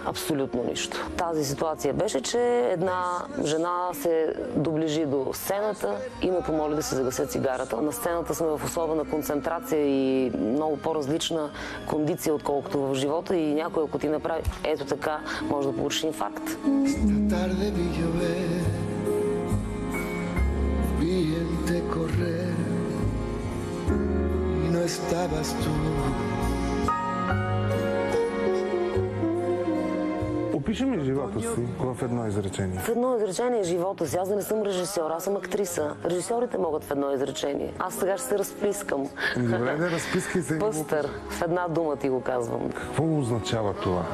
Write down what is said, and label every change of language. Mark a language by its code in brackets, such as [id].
[bg] Абсолютно нищо. Тази ситуация беше, че една жена се доближи до сцената и ме помоли да се загасят цигарата. На сцената сме в особена концентрация и много по-различна кондиция, отколкото в живота, и някой, ако ти направи ето така, може да получиш инфаркт. [es] Esta tarde vi llover, vi el te correr, y no estabas tú. [bg] Опиши ми живота си в едно изречение. В едно изречение живота си. Аз не съм режисьор, аз съм актриса. Режисьорите могат в едно изречение. Аз сега ще се разпискам. Добре, не разпискай се. Пъстър. В една дума ти го казвам. Какво означава това?